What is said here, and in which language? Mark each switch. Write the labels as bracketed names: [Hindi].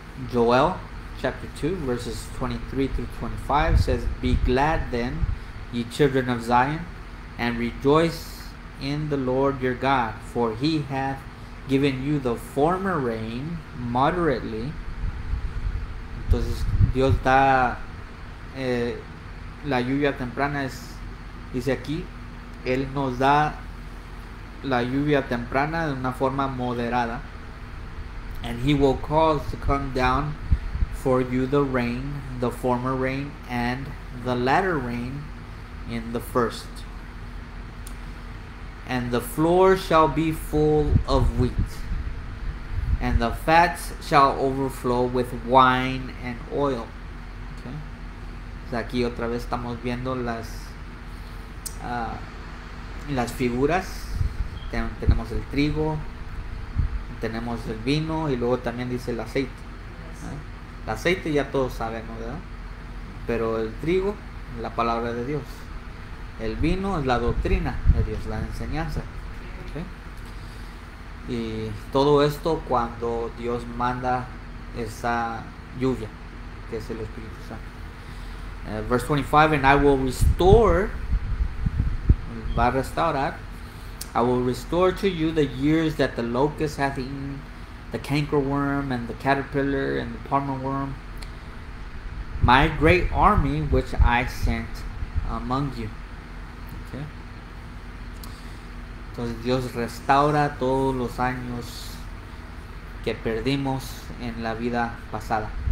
[English] Joel chapter 2 verses 23 through 25 says, be glad then, ye children of Zion, and rejoice in the Lord your God, for he hath given you the former rain moderately. [Spanish] Entonces Dios da la lluvia temprana, dice aquí, él nos da la lluvia temprana de una forma moderada. [English] And he will cause to come down for you the rain, the former rain, and the latter rain in the first. And the floor shall be full of wheat, and the fats shall overflow with wine and oil. Okay. [Spanish] So aquí otra vez estamos viendo las figuras. Tenemos el trigo, tenemos el vino, y luego también dice el aceite. El aceite ya todos sabemos, ¿verdad? Pero el trigo, la palabra de Dios. El vino es la doctrina de Dios, la enseñanza. ¿Okay? Y todo esto cuando Dios manda esa lluvia, que es el Espíritu Santo. [English] Verse 25, and I will restore, [Spanish] va a restaurar, [English] I will restore to you the years that the locust hath eaten, the cankerworm, and the caterpillar, and the palmer worm, my great army which I sent among you. Okay. [Spanish] Entonces Dios restaura todos los años que perdimos en la vida pasada.